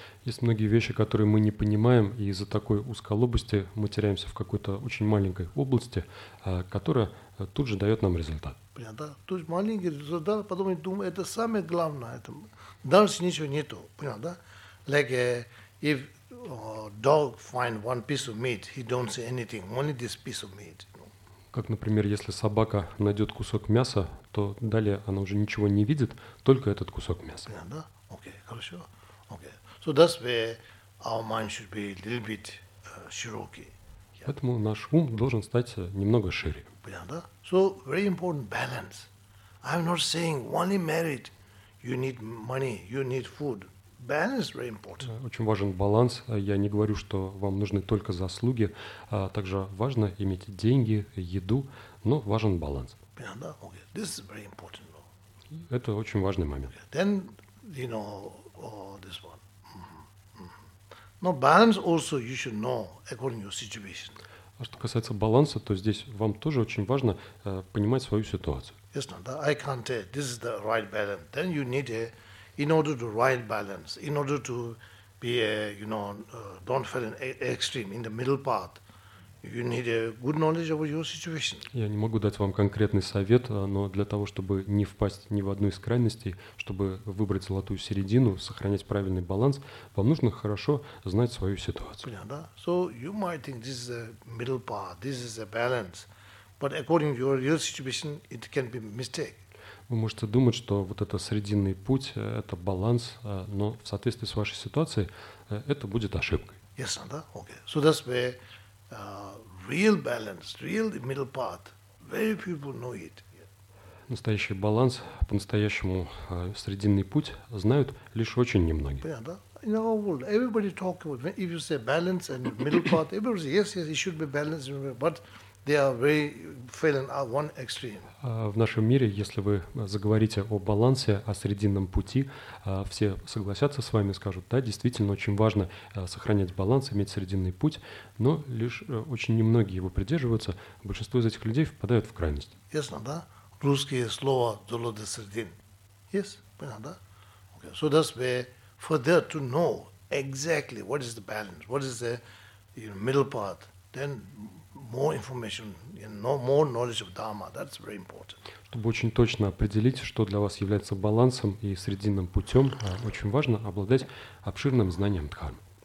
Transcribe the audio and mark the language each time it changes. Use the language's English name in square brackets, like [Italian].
[Russian] Есть многие вещи, которые мы не понимаем, и из-за такой узколобости мы теряемся в какой-то очень маленькой области, которая тут же дает нам результат. Понятно? То есть маленький результат, потом мы думаем, это самое главное. Дальше ничего нету. Понятно? [English] Like, if dog find one piece of meat, he don't see anything, only this piece of meat. [Russian] Как, например, если собака найдет кусок мяса, то далее она уже ничего не видит, только этот кусок мяса. [English] Yeah, [Russian] да? [English] Okay, [Russian] хорошо. [English] Okay. So that's where our mind should be a little bit [Russian] широкий. [English] Yeah. [Russian] Поэтому наш ум должен стать немного шире. Понятно, да? [English] So very important balance. I'm not saying only married, you need money, you need food. Balance very important. [Russian] Очень важен баланс. Я не говорю, что вам нужны только заслуги. Также важно иметь деньги, еду, но важен баланс. Понятно, [English] okay. This is very important. [Russian] Это очень важный момент. [English] Okay. Then, you know, this one. No, balance also you should know according to your situation. [Russian] А что касается баланса, то здесь вам тоже очень важно понимать свою ситуацию. [English] Yes, no, I can't tell. This is the right balance. Then you need a, in order to right balance, in order to be a, you know, don't fall in extreme, in the middle path, you need a good knowledge of your situation. [Russian] Я не могу дать вам конкретный совет, но для того, чтобы не впасть ни в одну из крайностей, чтобы выбрать золотую середину, сохранять правильный баланс, вам нужно хорошо знать свою ситуацию. Понятно, да? [English] So you might think this is a middle path, this is a balance, but according to your real situation, it can be a mistake. [Russian] Вы можете думать, что вот это срединный путь, это баланс, но в соответствии с вашей ситуацией это будет ошибкой. [English] Yes, [Russian] да? [English] Okay. So that's where real balance, real middle path, very few people know it. [Russian] Настоящий баланс, по-настоящему срединный путь знают лишь очень немногие. Yeah, да? [English] In our world, everybody talk about, if you say balance and middle path, everybody says, yes, it should be balanced, but they are very failing at one extreme. [Russian] В нашем мире, если вы заговорите о балансе, о срединном пути, все согласятся с вами, скажут, да, действительно очень важно сохранять баланс, иметь срединный путь, но лишь очень немногие его придерживаются. Большинство из этих людей впадают в крайность. Ясно, да? Русские слова «золото средин». Yes, понятно, да? Okay. [English] So that's where, for them to know exactly what is the balance, what is the middle path, then more information, more knowledge of Dharma. That's very important. [Russian] Чтобы очень точно определить, что для вас является балансом и срединным путем, очень важно обладать обширным знанием Дхармы.